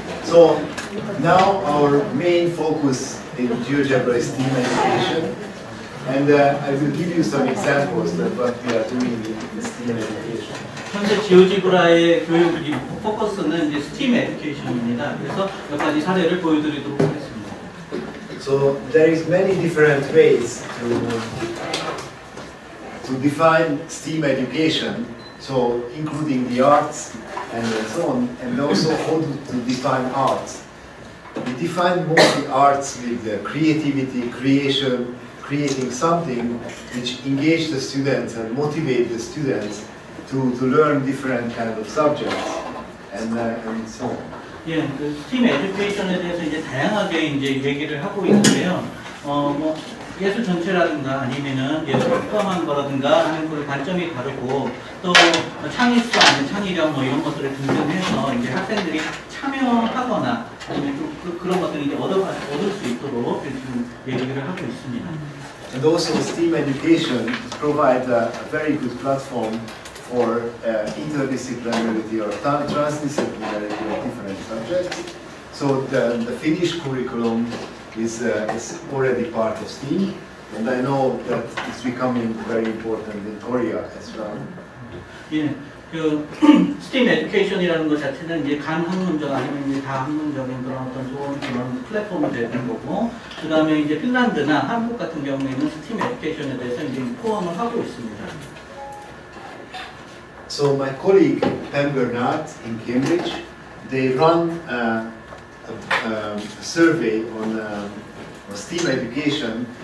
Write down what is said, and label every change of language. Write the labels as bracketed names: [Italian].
[English] So now our main focus in GeoGebra is team education, and I will give you some examples of what we are doing in this team education. [Korean] 현재 지오지브라의 교육 포커스는 이제 스팀 에듀케이션입니다. 그래서 몇 가지 사례를 보여드리도록 하겠습니다. [English] So there is many different ways to define STEAM education, so including the arts and so on, and also how to define arts. We define mostly arts with creativity, creation, creating something which engage the students and motivate the students to learn different kind of subjects and so on. [Korean] 예, 그 STEAM 에듀케이션에 대해서 이제 다양하게 이제 얘기를 하고 있는데요. 뭐 예술 전체라든가 아니면은 예술을 포함한 거라든가 하는 그 관점이 다르고 또 창의성 아니면 창의력 뭐 이런 것들을 등등해서 이제 학생들이 참여하거나 아니면 좀 그런 것들을 이제 얻을 수 있도록 지금 얘기를 하고 있습니다. [English] And also STEAM education provides a very good platform. Or interdisciplinarity or transdisciplinarity of different subjects. So the Finnish curriculum is already part of STEAM, and I know that it's becoming very important in Korea as well. [Korean] Yeah, STEAM education이라는 것 자체는 이제 간학문적 아니면 이제 다학문적인 그런 어떤 좋은 그런 플랫폼이 되는 거고, 그 다음에 이제 핀란드나 한국 같은 경우에는 STEAM education에 대해서 이제 포함을 하고 있습니다. [English] So my colleague Pam Bernard in Cambridge, they run a survey on STEAM education.